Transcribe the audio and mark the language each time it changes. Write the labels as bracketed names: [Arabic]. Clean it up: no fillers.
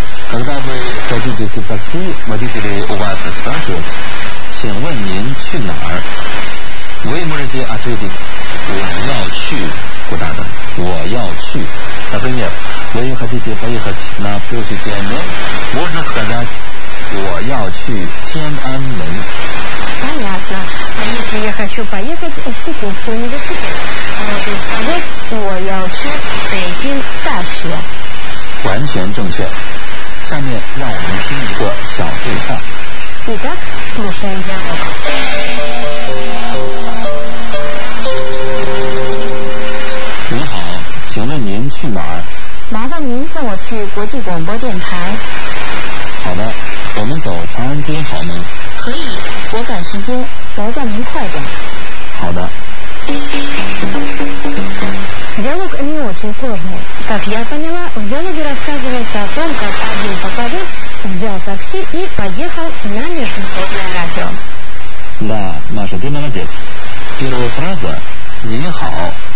[Russian] Когда вы садитесь в такси, водители у вас спрашивают, [Chinese] «Чэнь вэн нин чу на эр?» [Russian] Вы можете ответить, я要去куда-то, [Chinese] 我要去. [Russian] Например, вы хотите поехать на площадь Тяньаньмэнь? Можно сказать, [Chinese] 我要去天安门. [Russian] Понятно. А если я хочу поехать в Пекинский университет, можно сказать, [Chinese] 我要去北京大学. 完全正确. 下面让我们听一个小对话. [Russian] Итак, слушаем диалог. [Chinese] 您好，请问您去哪儿？麻烦您送我去国际广播电台。好的，我们走长安街好吗？可以，我赶时间，劳驾您快点。好的。 [Russian] Диалог не очень сложный. Как я поняла, в диалоге рассказывается о том, как один пассажир взял такси и поехал на международное радио. Да, Маша, ты молодец. Первая фраза – [Chinese] «Не хао».